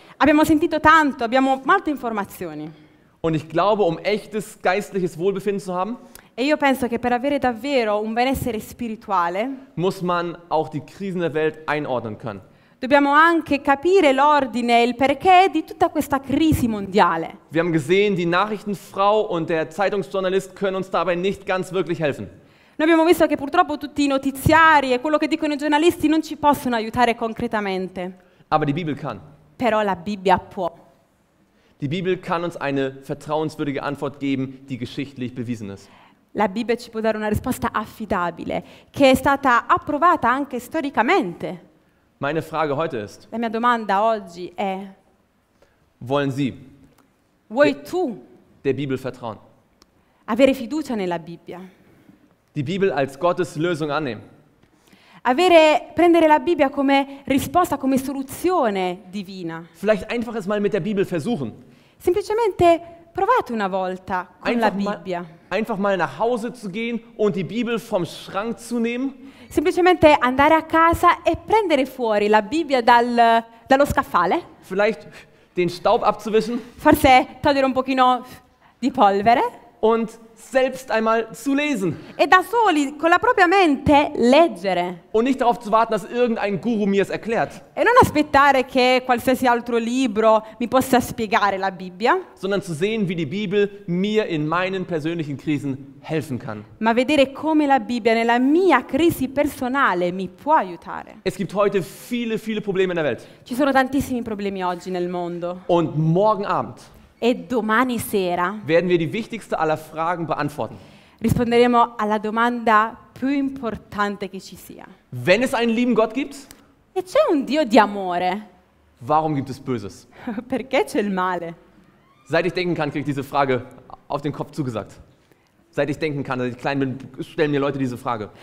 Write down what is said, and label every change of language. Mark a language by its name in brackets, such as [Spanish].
[Italian] Abbiamo sentito tanto, abbiamo molte informazioni. [German] Und ich glaube, um echtes geistliches Wohlbefinden zu haben, [Italian] e io penso che per avere davvero un benessere spirituale, [German] muss man auch die Krisen der Welt einordnen können. [Italian] Dobbiamo anche capire l'ordine e il perché di tutta questa crisi mondiale. [German] Wir haben gesehen, die Nachrichtenfrau und der Zeitungsjournalist können uns dabei nicht ganz wirklich helfen. [Italian] Noi abbiamo visto che purtroppo tutti i notiziari e quello che dicono i giornalisti non ci possono aiutare concretamente. [German] Aber die Bibel kann. [Italian] Però la Bibbia può. [German] Die Bibel kann uns eine vertrauenswürdige Antwort geben, die geschichtlich bewiesen ist. [Italian] La Bibbia ci può dare una risposta affidabile, che è stata approvata anche storicamente. [German] Meine Frage heute ist, [Italian] la mia domanda oggi è, [German] wollen Sie, [Italian] vuoi tu, [German] der Bibel vertrauen? [Italian] Avere fiducia nella Bibbia? [German] Die Bibel als Gottes Lösung annehmen? [Italian] Avere, prendere la Bibbia come risposta, come soluzione divina? [German] Vielleicht einfach es mal mit der Bibel versuchen. [Italian] Semplicemente provate una volta con [German] einfach [Italian] la Bibbia. [German] Einfach mal nach Hause zu gehen und die Bibel vom Schrank zu nehmen. [Italian] Semplicemente andare a casa e prendere fuori la Bibbia dallo scaffale. [German] Vielleicht den Staub abzuwischen. [Italian] Forse togliere un pochino di polvere. [German] Und selbst einmal zu lesen. [Italian] E da soli, con la propria mente, leggere. [German] Und nicht darauf zu warten, dass irgendein Guru mir es erklärt. [Italian] E non aspettare che qualsiasi altro libro mi possa spiegare la Bibbia. [German] Sondern zu sehen, wie die Bibel mir in meinen persönlichen Krisen helfen kann. [Italian] Ma vedere come la Bibbia nella mia crisi personale mi può aiutare. [German] Es gibt heute viele, viele Probleme in der Welt. [Italian] Ci sono tantissimi problemi oggi nel mondo. [German] Und morgen Abend. [Italian] E domani sera [German] werden wir die wichtigste aller Fragen beantworten. [Italian] Risponderemo alla domanda più importante che ci sia. [German] Wenn es einen lieben Gott gibt, [Italian] e c'è un Dio di amore. [German] Warum gibt es Böses? [Italian] Perché c'è il male? [German] Seit ich denken kann, kriege ich diese Frage auf den Kopf zugesagt. Seit ich denken kann, seit ich klein bin, stellen mir Leute diese Frage.